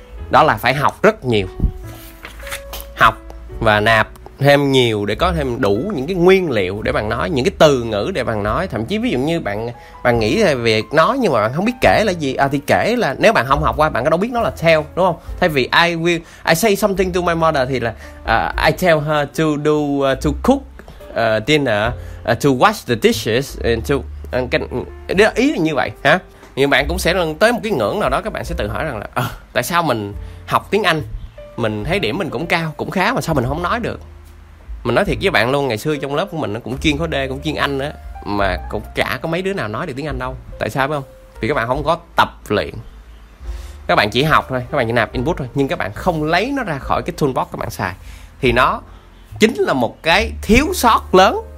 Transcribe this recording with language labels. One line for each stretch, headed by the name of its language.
Vietnamese: Đó là phải học rất nhiều, học và nạp thêm nhiều để có thêm đủ những cái nguyên liệu để bạn nói, những cái từ ngữ để bạn nói. Thậm chí ví dụ như bạn nghĩ về việc nói nhưng mà bạn không biết kể là gì, thì kể là nếu bạn không học qua bạn có đâu biết nó là tell, đúng không? Thay vì
English: I say something to my mother
Vietnamese: thì là
English: I tell her to do to cook dinner, to wash the dishes and to
Vietnamese: ý là như vậy hả? Nhưng bạn cũng sẽ tới một cái ngưỡng nào đó, các bạn sẽ tự hỏi rằng là tại sao mình học tiếng Anh, mình thấy điểm mình cũng cao, cũng khá, mà sao mình không nói được. Mình nói thiệt với bạn luôn, ngày xưa trong lớp của mình nó cũng chuyên khối D, cũng chuyên Anh á, mà cũng chả có mấy đứa nào nói được tiếng Anh đâu. Tại sao, phải không? Vì các bạn không có tập luyện. Các bạn chỉ học thôi, các bạn chỉ nạp input thôi, nhưng các bạn không lấy nó ra khỏi cái toolbox các bạn xài, thì nó chính là một cái thiếu sót lớn.